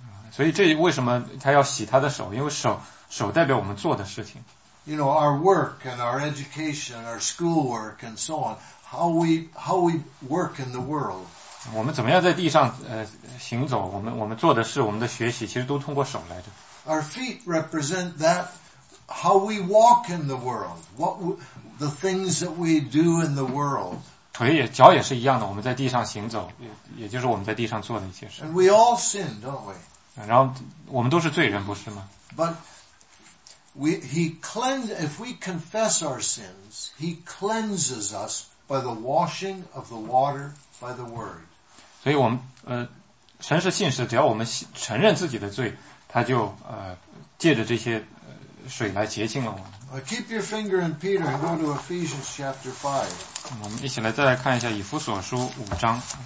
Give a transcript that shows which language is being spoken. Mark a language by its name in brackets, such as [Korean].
[Chinese] 所以这为什么他要洗他的手？因为手代表我们做的事情。 [English] You know, our work and our education, our schoolwork and so on. How we work in the world. [Chinese] 我们怎么样在地上行走？我们做的事，我们的学习，其实都通过手来着。 [English] Our feet represent that how we walk in the world, what the things that we do in the world. [Chinese] 脚也是一样的，我们在地上行走，也就是我们在地上做的一些事。 [English] And we all sin, don't we? [Chinese] 然后我们都是罪人，不是吗 [English] ？But if we confess our sins, He cleanses us by the washing of the water. By the word. [Chinese] 所以我们神是信实，只要我们承认自己的罪，他就借着这些水来洁净了我们。 [English] Keep your finger in Peter and go to Ephesians chapter 5. [Chinese] 我们一起来再来看一下以弗所书五章。